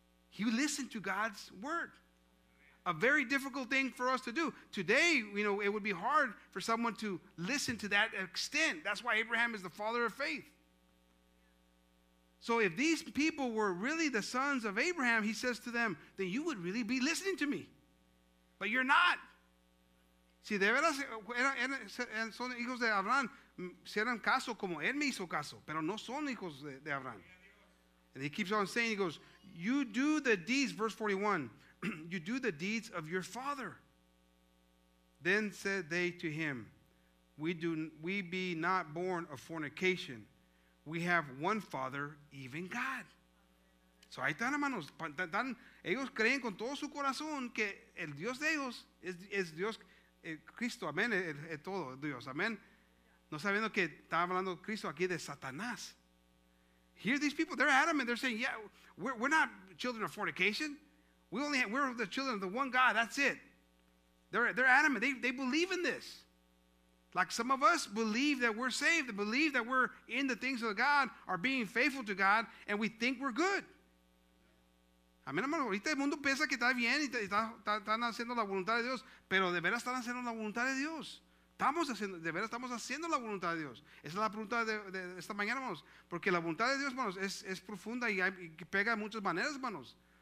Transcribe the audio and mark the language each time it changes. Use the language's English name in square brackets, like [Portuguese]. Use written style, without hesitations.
[English] He listened to God's word. A very difficult thing for us to do. Today, you know, it would be hard for someone to listen to that extent. That's why Abraham is the father of faith. So if these people were really the sons of Abraham, he says to them, then you would really be listening to me. But you're not. [Spanish] Si de veras son hijos de Abraham, si eran caso como él me hizo caso, pero no son hijos de Abraham. [English] And he keeps on saying, he goes, you do the deeds, verse 41, you do the deeds of your father. Then said they to him, we be not born of fornication. We have one father, even God. So [Spanish] ahí están, hermanos. Ellos creen con todo su corazón que el Dios de ellos es Dios Cristo. Amén. Es todo Dios. Amén. No sabiendo que estaba hablando Cristo aquí de Satanás. [English] Here these people, they're adamant. They're saying, yeah, we're not children of fornication. We're the children of the one God. That's it. They're adamant. They believe in this. Like some of us believe that we're saved, and believe that we're in the things of God, are being faithful to God, and we think we're good. [Spanish] Amén, hermano. Ahorita el mundo piensa que está bien y están haciendo la voluntad de Dios, pero de veras están haciendo la voluntad de Dios. Estamos haciendo la voluntad de Dios. Esa es la pregunta de esta mañana, hermanos. Porque la voluntad de Dios, hermanos, es profunda y pega en muchas maneras, hermanos.